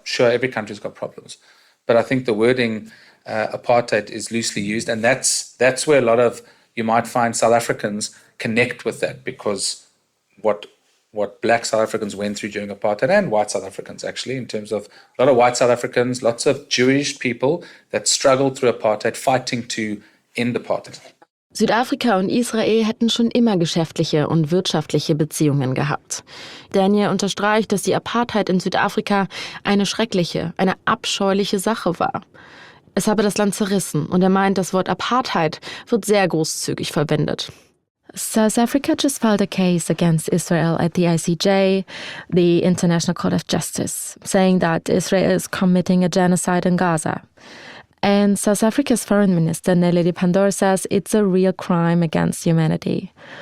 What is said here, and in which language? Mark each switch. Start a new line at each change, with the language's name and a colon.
English: Sure, every country's got problems. But I think the wording apartheid is loosely used, and that's where a lot of, you might find South Africans connect with that, because what black South Africans went through during apartheid, and white South Africans actually, in terms of a lot of white South Africans, lots of Jewish people that struggled through apartheid, fighting to end apartheid.
German: Südafrika und Israel hätten schon immer geschäftliche und wirtschaftliche Beziehungen gehabt. Daniel unterstreicht, dass die Apartheid in Südafrika eine schreckliche, eine abscheuliche Sache war. Es habe das Land zerrissen, und er meint, das Wort Apartheid wird sehr großzügig verwendet.
English: South Africa just filed a case against Israel at the ICJ, the International Court of Justice, saying that Israel is committing a genocide in Gaza. And South Africa's foreign minister, Nelly de Pandor, says it's a real crime against humanity.